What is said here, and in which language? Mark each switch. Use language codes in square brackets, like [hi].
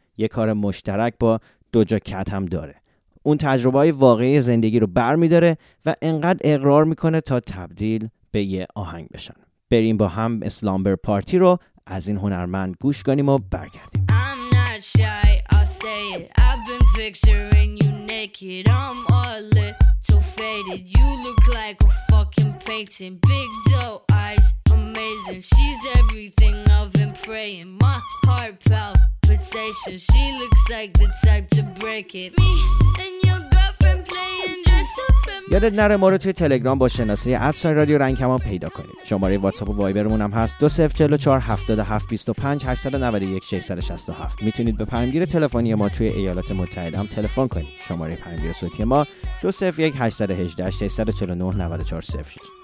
[fa] یه کار مشترک با دوجا کت هم داره. اون تجربه های واقعی زندگی رو برمی‌داره و انقدر اقرار میکنه تا تبدیل به یه آهنگ بشن. بریم با هم اسلامبر پارتی رو از این هنرمند گوش کنیم و برگردیم. [en] Shy, I'll say it. I've been picturing you naked. I'm a little faded. You look like a fucking painting. Big doe eyes, amazing. She's everything I've been praying. My heart palpitations. She looks like the type to break it. Me and your girlfriend playing dress up. [fa] یادت نره ما رو توی تلگرام با شناسه ادسان رادیو رنگ کمان پیدا کنید. شماره واتساپ و وایبرمون هم هست 2044-7725-891-667. میتونید به پیامگیر تلفنی ما توی ایالات متحده هم تلفن کنید. شماره پیامگیر صوتی ما 201-818-649-9406.